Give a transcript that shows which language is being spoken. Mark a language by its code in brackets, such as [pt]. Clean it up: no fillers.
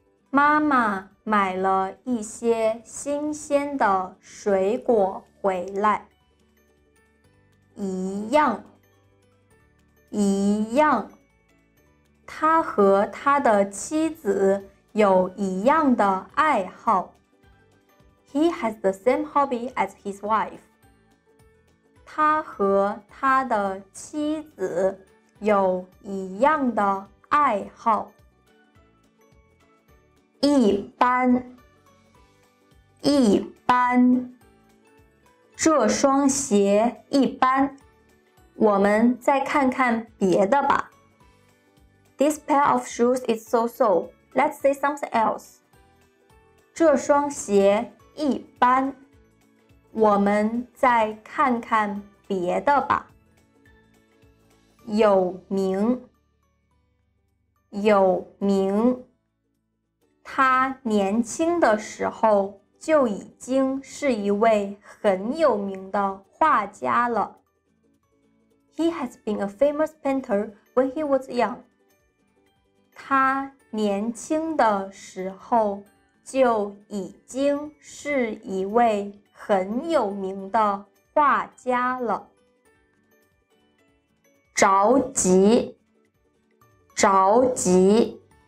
[zh] 妈妈买了一些新鲜的水果回来。一样，一样，他和他的妻子有一样的爱好。 [en] He has the same hobby as his wife. [zh] 他和他的妻子有一样的爱好。一般，一般，这双鞋一般，我们再看看别的吧。 [en] This pair of shoes is so-so. Let's see something else. [zh] 这双鞋一般，我们再看看别的吧。有名，有名，他年轻的时候就已经是一位很有名的画家了。 [en] He has been a famous painter when he was young. [zh] 他年轻的时候就已经是一位很有名的画家了。着急，着急，